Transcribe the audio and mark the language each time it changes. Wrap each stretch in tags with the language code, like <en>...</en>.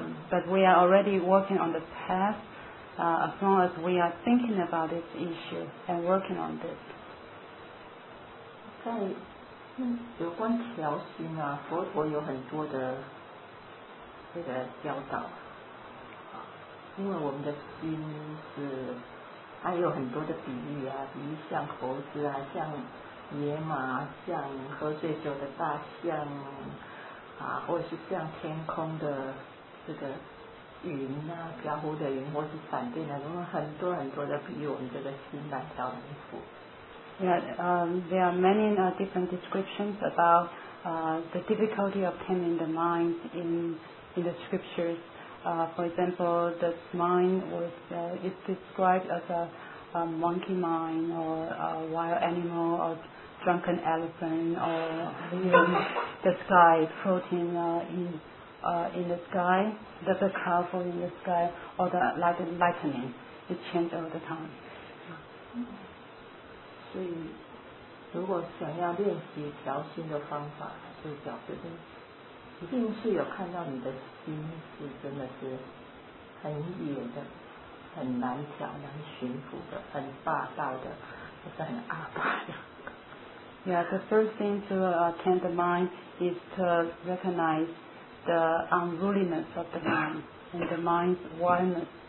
<en>But we are already working on the path. As long as we are thinking about this issue and working on this.</en> <zh>在有关调心啊，佛陀有很多的这个教导，因为我们的心是，它有很多的比喻啊，比喻像猴子啊，像野马，像喝醉酒的大象啊，或者是像天空的这个云啊，飘忽的云，或是闪电的，我们很多很多的比喻，我们这个心来调的衣服。</zh> <en>There are many different descriptions about the difficulty of taming the mind in the scriptures. For example, the mind was is described as a monkey mind, or a wild animal, or drunken elephant, or even the sky floating in the sky, the cloud falling in the sky, or the lightning, it changes all the time.</en> <zh>所以如果想要练习调心的方法，就表示一定是有看到你的心是真的是很野的，很难调，难驯服的，很霸道的，或是很阿霸的。</zh> <en>Yeah, the first thing to tame the mind is to recognize the unruliness of the mind and the mind's wildness?</en>